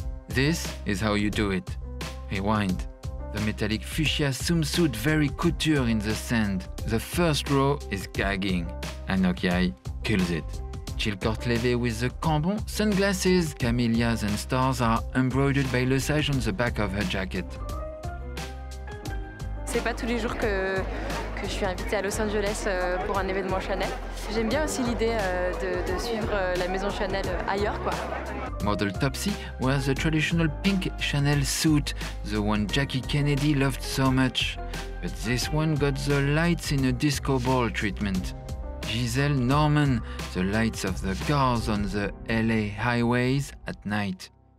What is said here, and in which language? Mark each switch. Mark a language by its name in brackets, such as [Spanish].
[English] This is how you do it. Rewind. The metallic fuchsia swimsuit very couture in the sand. The first row is gagging. Anokiai kills it. Jill Cortlevé with the cambon sunglasses. Camellias and stars are embroidered by Le Sage on the back of her jacket. [French] C'est pas tous les jours que je suis invitée à Los Angeles pour un événement Chanel. J'aime bien aussi l'idée de suivre la maison Chanel ailleurs, quoi. [English] Model Topsy wears the traditional pink Chanel suit, the one Jackie Kennedy loved so much. But this one got the lights in a disco ball treatment. Giselle Norman, the lights of the cars on the LA highways at night.